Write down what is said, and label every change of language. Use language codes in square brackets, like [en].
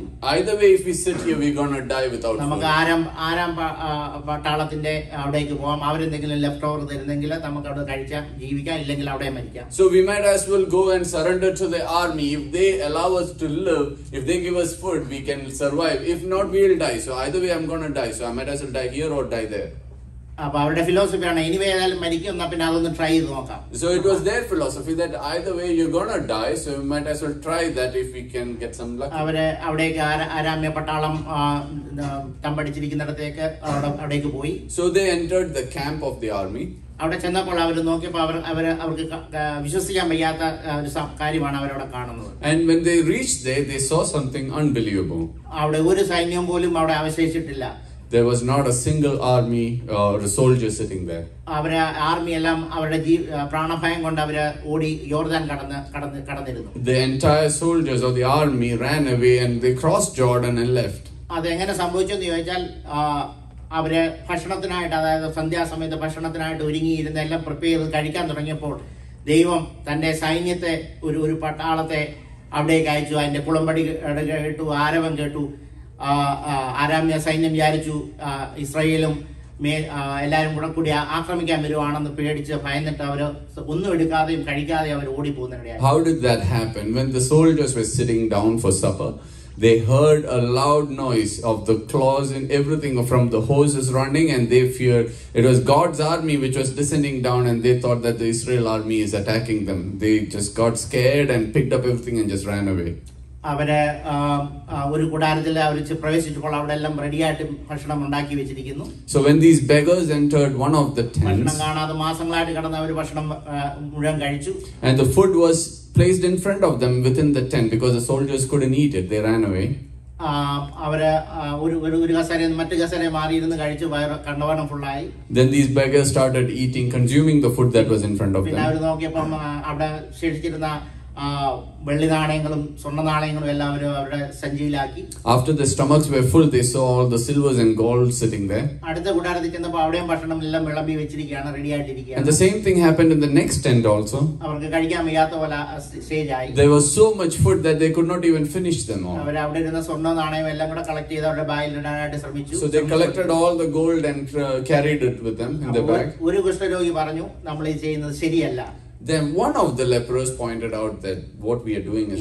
[en] Either way, if we sit here, we're going to die without food. [ml] നമുക്ക് ആരാം പട്ടാളത്തിന്റെ അവിടേക്ക് പോവാം. അവരെന്തെങ്കിലും ലെഫ്റ്റ് ഓവർ തരുന്നെങ്കിൽ നമുക്ക് അവിടെ കഴിച്ചാൽ ജീവിക്കാം, ഇല്ലെങ്കിൽ അവിടെ മരിക്കാം. [en] So we might as well go and surrender to the army. If they allow us to live, if they give us food, we can survive. If not, we'll die. So either way, I'm going to die. So I might as well die here or die there. [ml] അപ്പൊ അവരുടെ philosophy ആണ് ഇനി ഏതായാലും മരിക്കും, എന്നാ പിന്നെ അതൊന്ന് try ചെയ്ത് നോക്കാം. [en] So it was their philosophy that either way you're gonna die, so we might as well try that if we can get some luck. [ml] അവരെ അവിടേക്ക് ആരാമ്യ പട്ടാളം തമ്പടിച്ചിരിക്കുന്നിടത്തേക്ക് അവിടേക്ക് പോയി. [en] So they entered the camp of the army. [ml] അവിടെ ചെന്നപ്പോൾ അവർ നോക്കിയപ്പോൾ അവർ അവർ അവർക്ക് വിശ്വസിക്കാൻ വയ്യാത്ത ഒരു കാര്യമാണ് അവരവിടെ കാണുന്നത്. [en] And when they reached there, they saw something unbelievable. [ml] അവിടെ ഒരു സൈന്യം പോലും അവിടെ അവശേഷിച്ചിട്ടില്ല. [en] There was not a single army or a soldier sitting there. [ml] അവരെ ആർമി എല്ലാം അവരുടെ പ്രാണഭയം കൊണ്ട് അവര് ഓടി യോർദാൻ കടന്നിരുന്നു. [en] The entire soldiers of the army ran away and they crossed Jordan and left. [ml] അത് എങ്ങനെ സംഭവിച്ചു എന്ന് ചോദിച്ചാൽ അവര് ഭക്ഷണത്തിനായിട്ട് അതായത് സന്ധ്യാസമയത്ത് ഭക്ഷണത്തിനായിട്ട് ഒരുങ്ങിയിരുന്ന എല്ലാം പ്രിപ്പയർ ചെയ്ത് കഴിക്കാൻ തുടങ്ങിയപ്പോൾ ദൈവം തന്റെ സൈന്യത്തെ ഒരു ഒരു പട്ടാളത്തെ അവിടേക്ക് അയച്ചു. അതിന്റെ കുളമ്പടി കേട്ടു, ആരവം കേട്ടു. ആരാമ്യ സൈന്യം വിചാരിച്ചു ഇസ്രായേലും എല്ലാരും കൂടെ കൂടി ആക്രമിക്കാൻ വരുവാണെന്ന് പേടിച്ച് ഭയന്നിട്ട് അവര് ഒന്നും എടുക്കാതെയും കഴിക്കാതെയും അവർ ഓടി പോകുന്നിടയായിരുന്നു. [en] They heard a loud noise of the claws and everything from the horses running and they feared. It was God's army which was descending down and they thought that the Israel army is attacking them. They just got scared and picked up everything and just ran away. [ml] അവരെ ഒരു കൂടാരത്തിൽ അവര് പ്രവേശിച്ചപ്പോൾ അവിടെ എല്ലാം റെഡിയായിട്ട് ഭക്ഷണം ഉണ്ടാക്കി വെച്ചിരിക്കുന്നു. [en] So when these beggars entered one of the tents, [ml] ഭക്ഷണം കാണാതെ മാസങ്ങളായിട്ട് കിടന്ന അവര് ഭക്ഷണം മുഴുവൻ കഴിച്ചു. [en] And the food was placed in front of them within the tent because the soldiers couldn't eat it. They ran away. [ml] അവരെ ഒരു കസേരയിൽ മറ്റു കസേരയിൽ മാറി ഇരുന്ന് കഴിച്ച് കണ്ടവണ്ണം ഫുള്ളായി. [en] Then these beggars started eating, consuming the food that was in front of them. [ml] പിന്നെ അവര് നോക്കിയപ്പോൾ അവിടെ ശേഷിച്ചിരുന്ന വെള്ളി നാണയങ്ങളും സ്വർണ്ണ നാണയങ്ങളും എല്ലാം അവര് അവരുടെ സഞ്ചിയിലാക്കി. [en] After the stomachs were full, they saw all the silvers and gold sitting there. [ml] അടുത്ത കൂടാരത്തിൽ ചെന്നപ്പോൾ അവിടെയും ഭക്ഷണം എല്ലാം വിളമ്പി വെച്ചിരിക്കുകയാണ്, ready ആയിട്ടിരിക്കുകയാണ്. [en] And the same thing happened in the next tent also. [ml] അവർക്ക് കഴിക്കാൻ വയ്യാത്ത പോലെ സ്റ്റേജ് ആയി. [en] There was so much food that they could not even finish them all. [ml] അവർ അവിടെ ഇരുന്ന സ്വർണ്ണ നാണയം എല്ലാം കൂടെ കളക്ട് ചെയ്ത് അവരുടെ ബാഗിൽ ഇടാനായിട്ട് ശ്രമിച്ചു. [en] So they collected all the gold and carried it with them in the bag. ഒരു കുഷ്ഠരോഗി പറഞ്ഞു, നമ്മൾ ഈ ചെയ്യുന്നത് ശരിയല്ല. Then one of the lepers pointed out that what we are doing is